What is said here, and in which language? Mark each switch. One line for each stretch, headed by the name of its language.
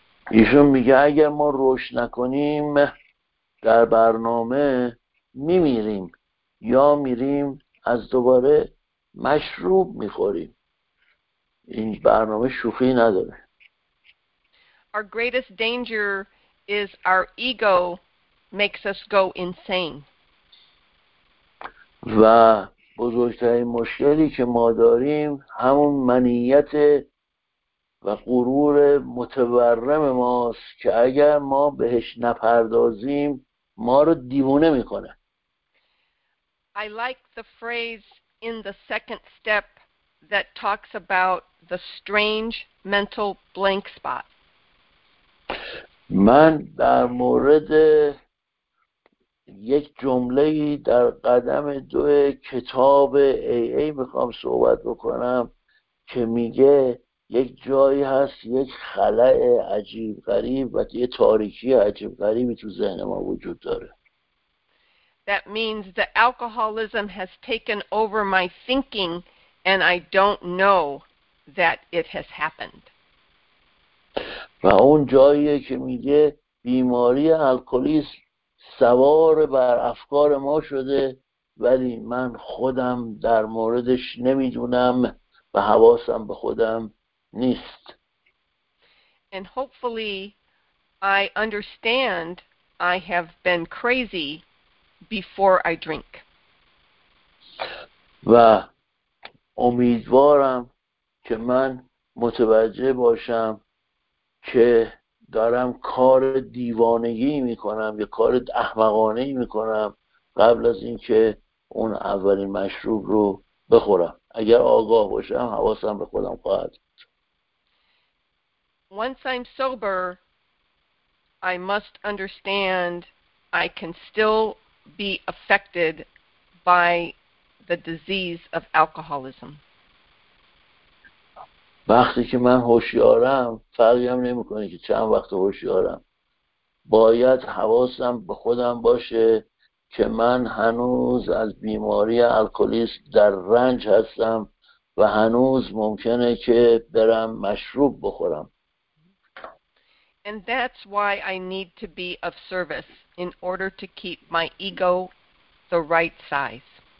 Persian: ایشون میگه اگر ما روش نکنیم در برنامه میمیریم یا میریم از دوباره مشروب میخوریم. این برنامه شوخی نداره.
English: Our greatest danger is our ego makes us go insane.
Persian: و بزرگترین مشکلی که ما داریم همون منیت و غرور متورم ماست که اگر ما بهش نپردازیم ما رو دیوونه میکنه.
English: I like the phrase in the second step that talks about the strange mental blank spot.
Persian: من در مورد یک جمله‌ای در قدم دو کتاب AA میخوام صحبت بکنم که میگه یک جایی هست، یک خلأ عجیب غریب و یه تاریکی عجیب غریبی تو ذهن ما وجود داره.
English: That means the alcoholism has taken over my thinking and I don't know that it has happened.
Persian: و اون جاییه که میگه بیماری الکلیسم سوار بر افکار ما شده ولی من خودم در موردش نمیدونم و حواسم به خودم نیست.
English: And hopefully I understand I have been crazy before I drink.
Persian: و امیدوارم که من متوجه باشم که دارم کار دیوانگی میکنم یا کار احمقانه ای میکنم قبل از اینکه اون اولین مشروب رو بخورم. اگر آگاه باشم حواسم به خودم خواهد.
English: Once I'm sober, I must understand I can still be affected by the disease of alcoholism.
Persian: وقتی که من هوشیارم، فرقی هم نمی‌کنه که چند وقت هوشیارم. باید حواسم به خودم باشه که من هنوز از بیماری الکلیسم در رنج هستم و هنوز ممکنه که برم مشروب بخورم.
English: And that's why I need to be of service in order to keep my ego the right size.